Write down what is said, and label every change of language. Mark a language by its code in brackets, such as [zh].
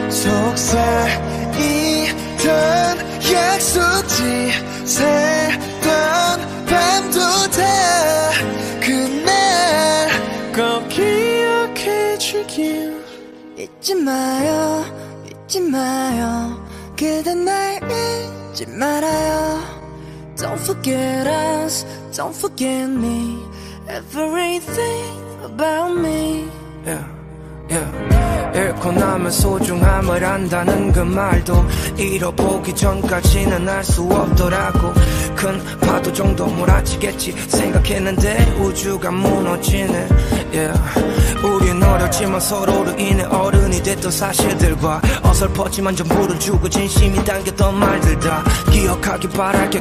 [ko] 속삭이던 약속지 새던 밤도 다 그날 꼭 기억해 주길. 잊지 마요 잊지 마요 그댄 날 잊지 말아요. [en] Don't forget us, don't forget me, everything about me. Yeah, yeah. [ko] 잃고 나면 소중함을 안다는 그 말도 잃어보기 전까지는 알 수 없더라고. 큰 파도 정도 몰아치겠지 생각했는데 우주가 무너지네. Yeah. 우린 어렸지만 서로로 인해 어른이 됐던 사실들과 어설퍼지만 전부를 주고 진심이 담겼던 말들 다 기억하기 바랄게.